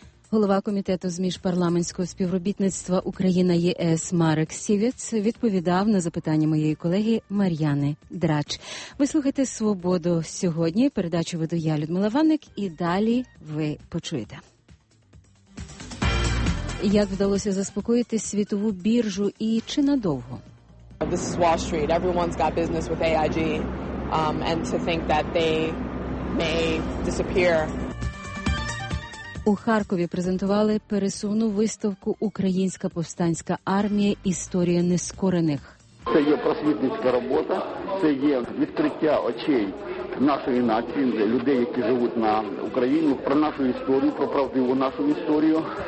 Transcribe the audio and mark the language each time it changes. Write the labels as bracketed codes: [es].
[uk] Голова Комітету з міжпарламентського співробітництва Україна-ЄС Марек Сівець відповідав на запитання моєї колеги Мар'яни Драч. Ви слухаєте «Свободу сьогодні», передачу веду я, Людмила Ванник, і далі ви почуєте. Як вдалося заспокоїти світову біржу і чи надовго? [en] This is Wall Street. Everyone's got business with AIG. And to think that they may disappear... [uk] У Харкові презентували пересувну виставку «Українська повстанська армія. Історія нескорених». Це є просвітницька робота, це є відкриття очей нашої нації, людей, які живуть на Україні, про нашу історію, про правдиву нашу історію.